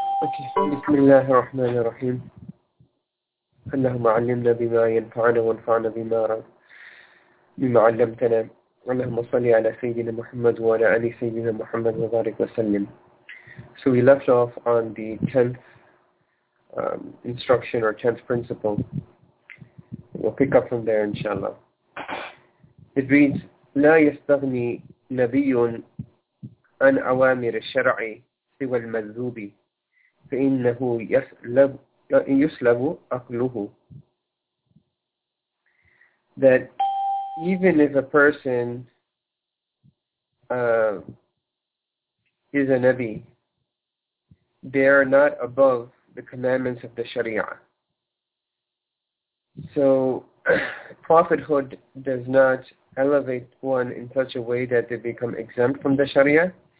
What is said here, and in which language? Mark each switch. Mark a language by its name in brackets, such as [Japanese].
[Arabic] أوكي، بسم الله الرحمن الرحيم. اللهم علمنا بما ينفعنا وانفعنا بما علمتنا. اللهم صل على سيدنا محمد وعلى آل سيدنا محمد وبارك وسلم. [English] So we left off on the 10th instruction or 10th principle. We'll pick up from there inshallah. It reads, [Arabic] لا يستغني نبي عن أوامر الشرع سوى المذوب فإنه يسلب أقله. [English] That even if a person is a Nabi, they are not above the commandments of the Sharia. So prophethood does not elevate one in such a way that they become exempt from the Sharia.